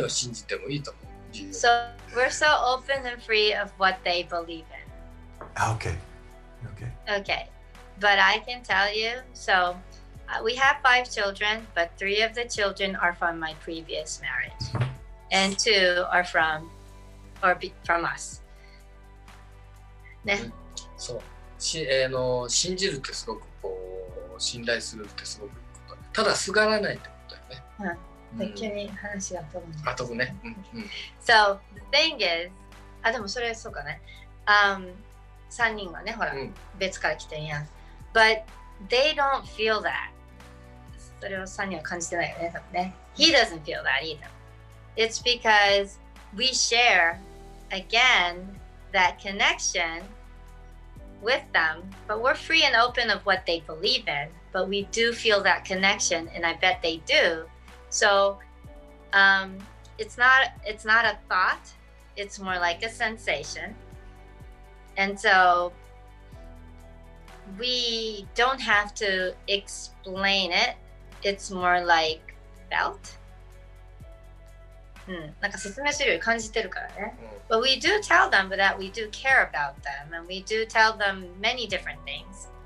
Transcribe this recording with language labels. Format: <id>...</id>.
<en>So we're so open and free of what they believe in. Okay. But I can tell you, so we have 5 children, but 3 of the children are from my previous marriage, and 2 are from us.</en> <ja>ね。そう。し、信じるってすごくこう、信頼するってすごくいいこと。ただすがらないってことだよね。うん。急に話が飛ぶ。あ、飛ぶね。</ja> <en>So, the thing is,</en> <ja>あ、でもそれはそうかね。 3人はね、ほら、別から来てんやん。</ja> <en>But they don't feel that.</en> <ja>それをサニーは感じてないよね、多分ね。</ja> <en>He doesn't feel that either. It's because we share, again, that connection with them, but we're free and open of what they believe in, but we do feel that connection, and I bet they do. So, it's not a thought, it's more like a sensation. And so, we don't have to explain it. It's more like felt.</en> <ja>なんか説明するより感じてるからね。</ja> <en>But we do tell them that we do care about them, and we do tell them many different things.</en>